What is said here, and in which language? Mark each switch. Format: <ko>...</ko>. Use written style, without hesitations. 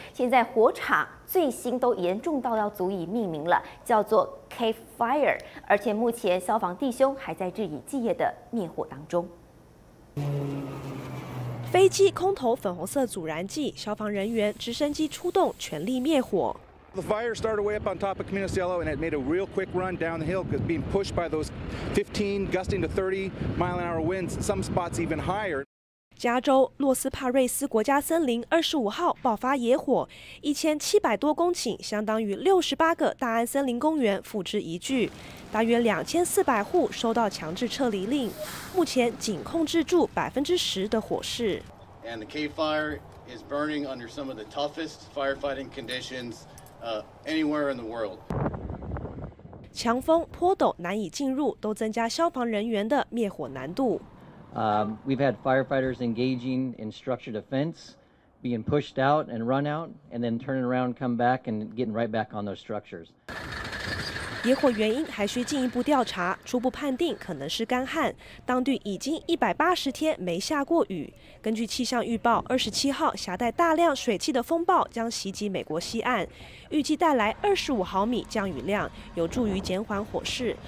<zh>现在火场最新都严重到要足以命名了，叫做 Cave Fire， 而且目前消防弟兄还在日以继夜的灭火当中。飞机空投粉红色阻燃剂，消防人员直升机出动全力灭火。</zh> <en>The fire started way up on top of Camino Cielo and it made a real quick run down the hill because being pushed by those 15 gusting to 30 mile an hour winds, some spots even higher.</en> <zh>加州洛斯帕瑞斯国家森林25号爆发野火，1700多公顷，相当于68个大安森林公园付之一炬，大约2400户收到强制撤离令，目前仅控制住10%的火势。</zh> <en>And the cave fire is burning under some of the toughest firefighting conditions. Anywhere in the world.</en> <zh>强风坡陡难以进入，都增加消防人员的灭火难度。</zh> <en>We've had firefighters engaging in structured defense, being pushed out and run out, and then turning around, come back, and getting right back on those structures.</en> <zh>野火原因还需进一步调查，初步判定可能是干旱。当地已经180天没下过雨。根据气象预报，27号携带大量水汽的风暴将袭击美国西岸，预计带来25毫米降雨量，有助于减缓火势。</zh>